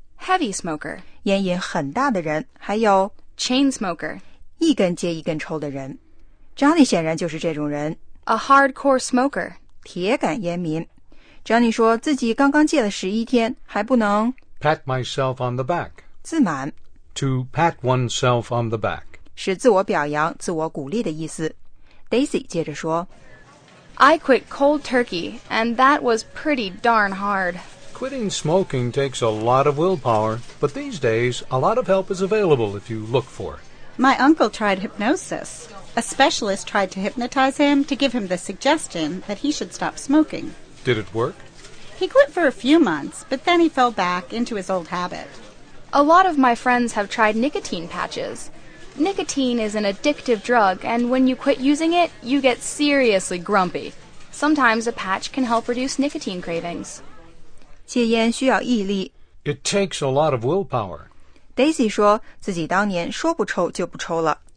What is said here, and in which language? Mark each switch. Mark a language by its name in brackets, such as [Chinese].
[English] ；heavy smoker， [Chinese] 烟瘾很大的人；还有 [English] chain smoker， [Chinese] 一根接一根抽的人。 Johnny 显然就是这种人。 [English] A hardcore smoker. [Chinese] 铁杆烟民。 Johnny 说自己刚刚戒了十一天还不能 [English] pat myself on the back. [Chinese] 自满。 [English] To pat oneself on the back. [Chinese] 是自我表扬、自我鼓励的意思。Daisy 接着说 [English] I quit cold turkey, and that was pretty darn hard. Quitting smoking takes a lot of willpower, but these days, a lot of help is available if you look for it. My uncle tried hypnosis. A specialist tried to hypnotize him to give him the suggestion that he should stop smoking. Did it work? He quit for a few months, but then he fell back into his old habit. A lot of my friends have tried nicotine patches. Nicotine is an addictive drug, and when you quit using it, you get seriously grumpy. Sometimes a patch can help reduce nicotine cravings. [Chinese] 戒烟需要毅力。 [English] It takes a lot of willpower. [Chinese] Daisy 说自己当年说不抽就不抽了。